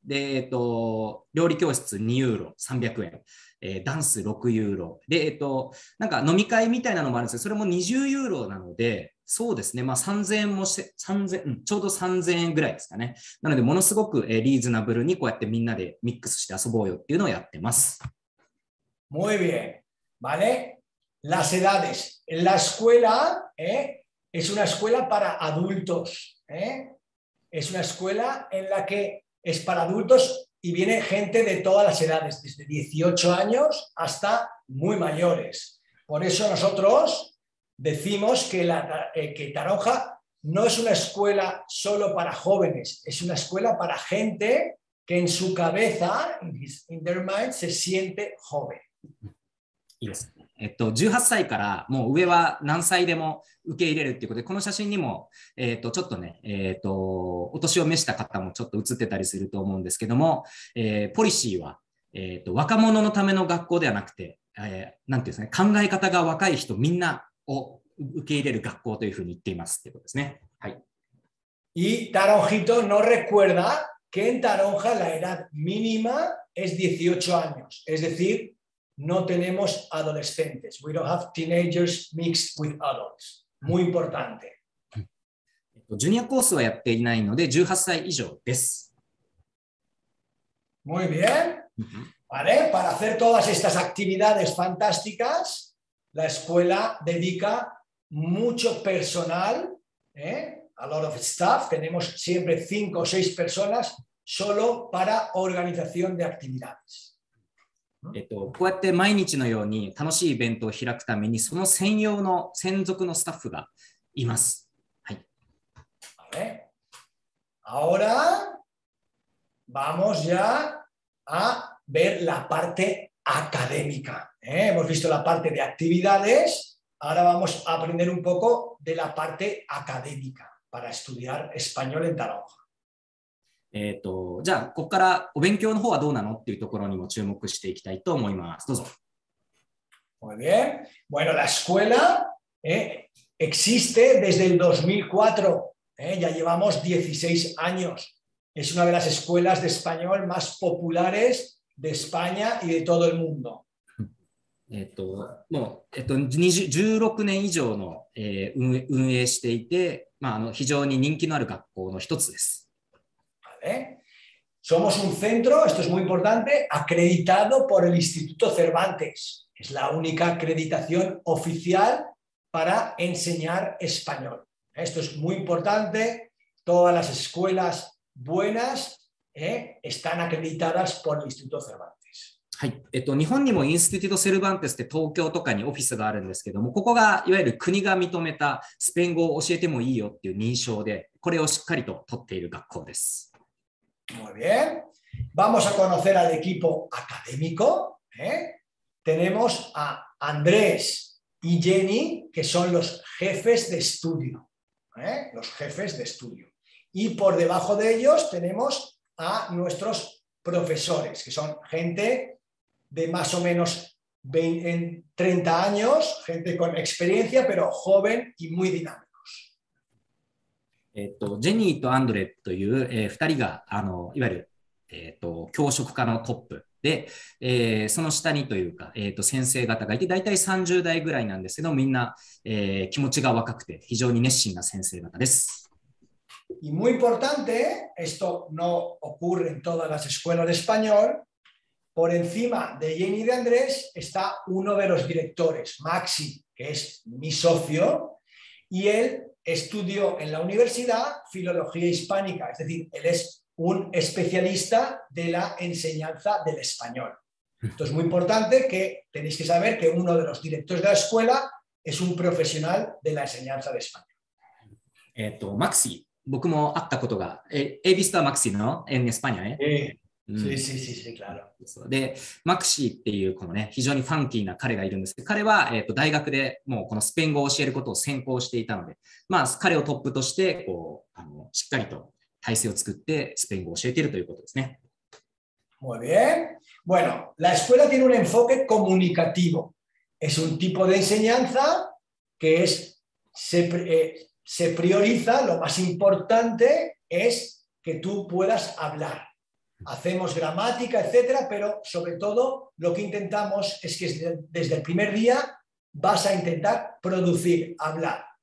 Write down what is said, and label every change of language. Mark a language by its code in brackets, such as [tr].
[ja] で、料理教室2ユーロ300円、ダンス6ユーロで、なんか飲み会みたいなのもあるんですけど、それも20ユーロなので、そうですね、3000円もして、ちょうど3000円ぐらいですかね。なので、ものすごくリーズナブルにこうやってみんなでミックスして遊ぼうよっていうのをやってます。 [es] Muy bien. ¿Vale? Las edades. La escuela, ¿eh?, es una escuela para adultos. ¿Eh? Es una escuela en la que es para adultos y viene gente de todas las edades, desde 18 años hasta muy mayores. Por eso nosotros... Decimos que, que Taronja no es una escuela solo para jóvenes, es una escuela para gente que en su cabeza, [en] in their mind, [es] se siente joven. [ja] いいですね。 18歳からもう上は何歳でも受け入れるということで、この写真にも、ちょっとね、お年を召した方もちょっと写ってたりすると思うんですけども、ポリシーは、若者のための学校ではなくて、なんていうんですかね、考え方が若い人みんな、を受け入れる学校というふうに言っていますってことですね。はい。 [es] Y Taronjito no recuerda que en Taronja la edad mínima es 18 años. Es decir, no tenemos adolescentes. [en] We don't have teenagers mixed with adults. [es] Muy importante. [ja] ジュニアコースはやっていないので18歳以上です。 [es] Muy bien. Vale, para hacer todas estas actividades fantásticas. La escuela dedica mucho personal, [en] a lot of staff. [es] Tenemos siempre 5 o 6 personas solo para organización de actividades. [ja] こうやって毎日のように楽しいイベントを開くためにその専用の専属のスタッフがいます。はい。 [es] Vale. Ahora vamos ya a ver la parte académica. Hemos visto la parte de actividades, ahora vamos a aprender un poco de la parte académica para estudiar español en Taronja. [ja] じゃあここからお勉強の方はどうなのっていうところにも注目していきたいと思います。どうぞ。 [es] Muy bien. Bueno, la escuela, existe desde el 2004. Ya llevamos 16 años. Es una de las escuelas de español más populares de España y de todo el mundo. [ja] もう、16年以上の、運営していて、非常に人気のある学校の一つです。 [es] Vale. Somos un centro, esto es muy importante, acreditado por el Instituto Cervantes. Es la única acreditación oficial para enseñar español. Esto es muy importante. Todas las escuelas buenas están acreditadas por el Instituto Cervantes. [ja] はい、日本にもインスティテュート・セルバンテスって東京とかにオフィスがあるんですけども、ここがいわゆる国が認めたスペイン語を教えてもいいよっていう認証で、これをしっかりと取っている学校です。 [es] Muy bien. Vamos a conocer al equipo académico. Tenemos a Andrés y Jenny, que son los jefes de estudio. Los jefes de estudio. Y por debajo de ellos tenemos a nuestros profesores, que son gente de más o menos 20, 30 años, gente con experiencia, pero joven y muy dinámicos. [ja] ジェニーとアンドレという、2人がいわゆる、教職課のトップで、その下にというか、先生方がいて、大体30代ぐらいなんですけど、みんな、気持ちが若くて非常に熱心な先生方です。 [es] Y muy importante, esto no ocurre en todas las escuelas de español, por encima de Jenny y de Andrés está uno de los directores, Maxi, que es mi socio, y él estudió en la universidad filología hispánica, es decir, él es un especialista de la enseñanza del español. Esto es muy importante, que tenéis que saber que uno de los directores de la escuela es un profesional de la enseñanza de español. Maxi. [ja] 僕も会ったことが、エビスタ・マクシーのエンエスパニア、 [es] Sí, sí, sí, claro. [ja] で、マクシーっていうこのね、非常にファンキーな彼がいるんですけど、彼は、大学でもうこのスペイン語を教えることを専攻していたので、まあ、彼をトップとしてこうしっかりと体制を作ってスペイン語を教えているということですね。 [es] Muy bien. Bueno, la escuela tiene un enfoque comunicativo. Es un tipo de enseñanza que es se prioriza, lo más importante es que tú puedas hablar. Hacemos gramática, etcétera, pero sobre todo lo que intentamos es que desde el primer día vas a intentar producir, hablar.